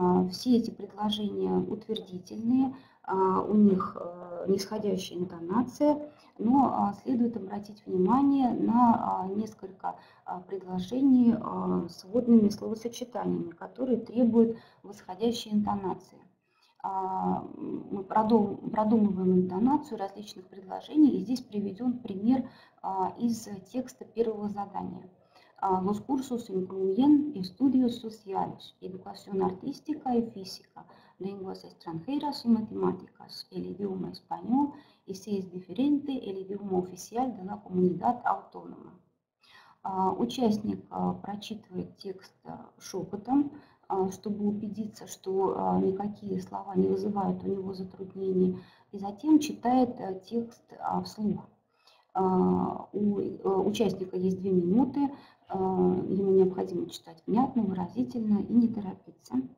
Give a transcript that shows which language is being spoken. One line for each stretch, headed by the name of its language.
Russian: Все эти предложения утвердительные, у них нисходящая интонация, но следует обратить внимание на несколько предложений с вводными словосочетаниями, которые требуют восходящей интонации. Мы продумываем интонацию различных предложений, и здесь приведен пример из текста первого задания.
Spanish: Los cursos incluyen estudios sociales, educación artística y física, lenguas extranjeras y matemáticas, el idioma español y, si es diferente, el idioma oficial de la comunidad autónoma.
Russian: Участник прочитывает текст шепотом, чтобы убедиться, что никакие слова не вызывают у него затруднений, и затем читает текст вслух. У участника есть 2 минуты, ему необходимо читать внятно, выразительно и не торопиться.